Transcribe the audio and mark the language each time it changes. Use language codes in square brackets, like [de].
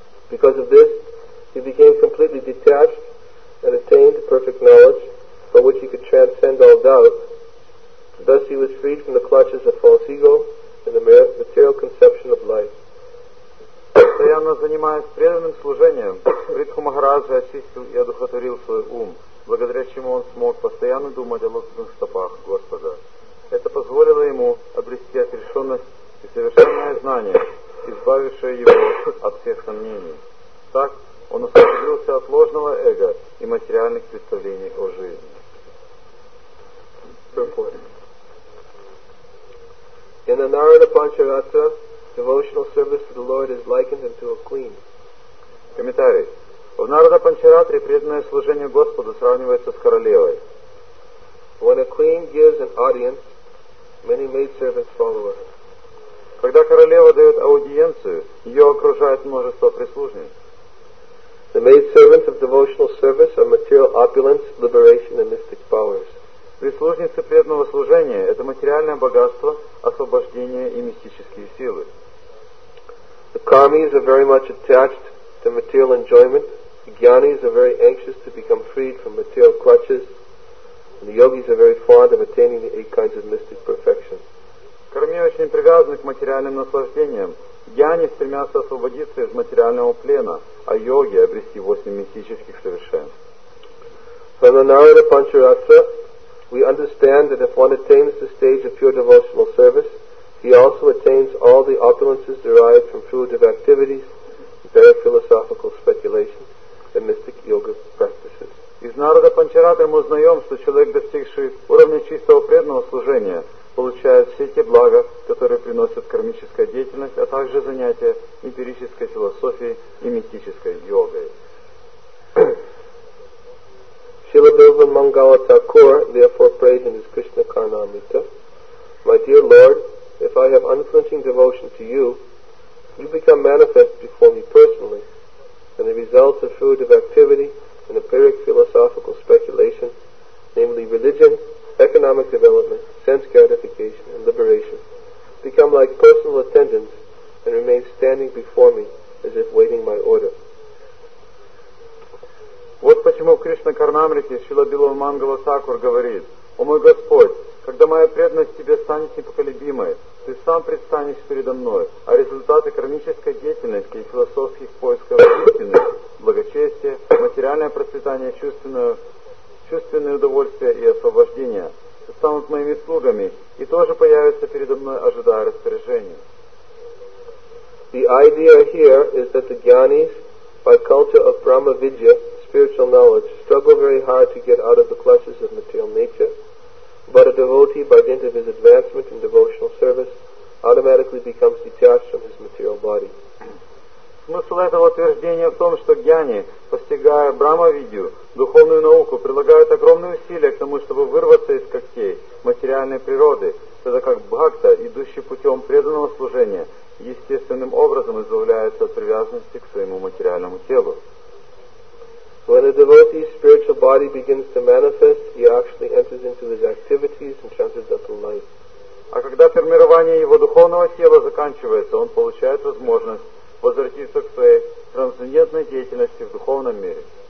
[en] because of this, he became completely detached and attained perfect knowledge, by which he could transcend all doubt. Thus he was freed from the clutches of false ego and the material conception of life. [ru] Постоянно занимаясь преданным служением, Ритху Махараджа очистил и одухотворил свой ум, благодаря чему он смог постоянно думать о лотосных стопах Господа. Это позволило ему обрести отрешенность и совершенное знание, избавившее его от всех сомнений. Так он освободился от ложного эго и материальных представлений о жизни. [en] In the Narada Pancharatra, devotional service to the Lord is likened unto a queen. [ru] Комментарий. В Нарада Панчаратре преданное служение Господу сравнивается с королевой. [en] When a queen gives an audience, many maidservants follow her. [ru] Когда королева дает аудиенцию, ее окружает множество прислужниц. [en] The maidservants of devotional service are material opulence, liberation, and mystic powers. [ru] Прислужницы преданного служения — это материальное богатство, освобождение и мистические силы. [en] The karmis are very much attached to material enjoyment. The gyanis are very anxious to become freed from material clutches. And the yogis are very fond of attaining the eight kinds of mystic perfection. [ru] Карми очень привязаны к материальным наслаждениям. Гьяни стремятся освободиться из материального плена, а йоги — обрести восемь мистических совершенств. [en] From the Narada Pancharatra, we understand that if one attains the stage of pure devotional service, he also attains all the opulences derived from fruitive activities, bare philosophical speculation, and mystic yoga practices. [ru] Из Нарада Панчарата мы узнаем, что человек, достигший уровня чистого преданного служения, получает все те блага, которые приносят кармическая деятельность, а также занятия эмпирической философией и мистической йогой. [en] Srila Bhagavan Mangala Thakur therefore prayed in his Krishna Karnamrita, My dear Lord, if I have unflinching devotion to you, you become manifest before me personally, and the results of fruitive activity and empiric philosophical speculation, namely religion, economic development, sense gratification, and liberation, become like personal attendants and remain standing before me as if waiting my order. [ru] Вот почему в Кришна Карнамрите Шрила Билава Мангала Сакур говорит, «О мой Господь, когда моя преданность Тебе станет непоколебимой, Ты сам предстанешь передо мной, а результаты кармической деятельности и философских поисков истины, благочестия, материальное процветание, чувственное удовольствие и освобождение станут моими слугами и тоже появятся передо мной, ожидая распоряжения». [en] The idea here is that the gyanis, by culture of Brahma-vidya, spiritual knowledge, struggle very hard to get out of the clutches of material nature, but a devotee, by dint of his advancement in devotional service, automatically becomes detached from his material body. [ru] Смысл этого утверждения в том, что гьяни, постигая брахма-видью, духовную науку, прилагают огромные усилия к тому, чтобы вырваться из когтей материальной природы, тогда как бхакта, идущий путем преданного служения, естественным образом избавляется от привязанности к своему материальному телу. [en] When a devotee's spiritual body begins to manifest, he actually enters into his activities and transcendental life. [ru] А когда формирование его духовного тела заканчивается, он получает возможность возвратиться к своей трансцендентной деятельности в духовном мире.